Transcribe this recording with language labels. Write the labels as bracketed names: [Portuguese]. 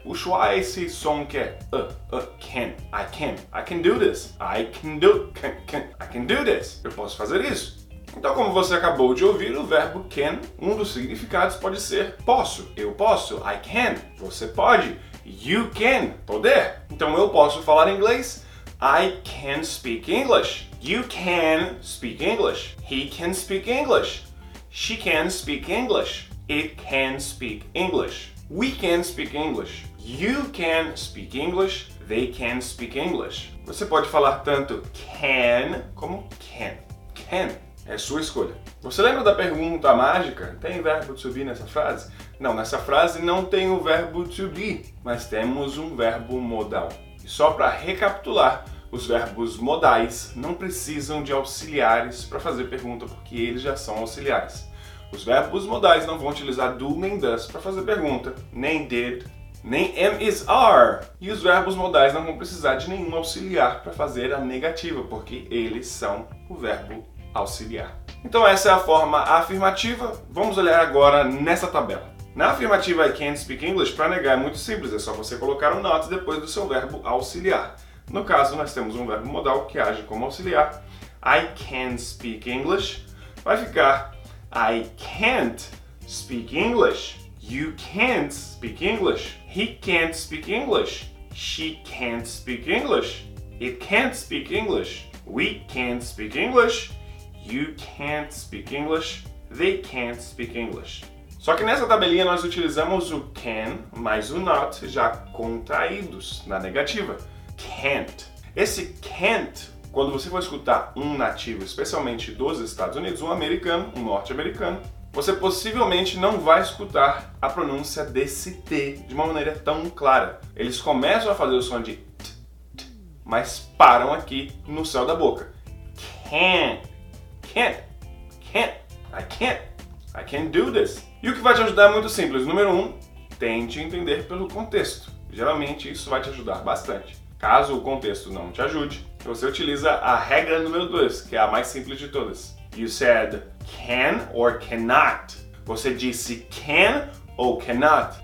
[Portuguese] O schwa é esse som que é [English] can, I can, I can do this, I can do, can, I can do this. [Portuguese] Eu posso fazer isso. Então, como você acabou de ouvir, o verbo can, um dos significados pode ser posso, eu posso, [English] I can, [Portuguese] você pode, [English] you can, [Portuguese] poder. Então, eu posso falar inglês, [English] I can speak English, you can speak English, he can speak English, she can speak English, it can speak English, we can speak English, you can speak English, they can speak English. [Portuguese] Você pode falar tanto can como can, can. É sua escolha. Você lembra da pergunta mágica? Tem verbo to be nessa frase? Não, nessa frase não tem o verbo to be, mas temos um verbo modal. E só para recapitular, os verbos modais não precisam de auxiliares para fazer pergunta, porque eles já são auxiliares. Os verbos modais não vão utilizar do nem does para fazer pergunta, nem did, nem am is are. E os verbos modais não vão precisar de nenhum auxiliar para fazer a negativa, porque eles são o verbo auxiliar. Então essa é a forma afirmativa. Vamos olhar agora nessa tabela. Na afirmativa [English] I can't speak English, [Portuguese] para negar é muito simples, é só você colocar um not depois do seu verbo auxiliar. No caso, nós temos um verbo modal que age como auxiliar. [English] I can speak English [Portuguese] vai ficar [English] I can't speak English, you can't speak English, he can't speak English, she can't speak English, it can't speak English, we can't speak English, you can't speak English, they can't speak English. [Portuguese] Só que nessa tabelinha nós utilizamos o can mais o not já contraídos na negativa. Can't. Esse can't, quando você for escutar um nativo, especialmente dos Estados Unidos, um americano, um norte-americano, você possivelmente não vai escutar a pronúncia desse T de uma maneira tão clara. Eles começam a fazer o som de t, t, mas param aqui no céu da boca. [English] Can't. Can't, can't, I can't, I can't do this. [Portuguese] E o que vai te ajudar é muito simples. Número 1, tente entender pelo contexto. Geralmente isso vai te ajudar bastante. Caso o contexto não te ajude, você utiliza a regra número 2, que é a mais simples de todas. [English] You said can or cannot. [Portuguese] Você disse [English] can or cannot.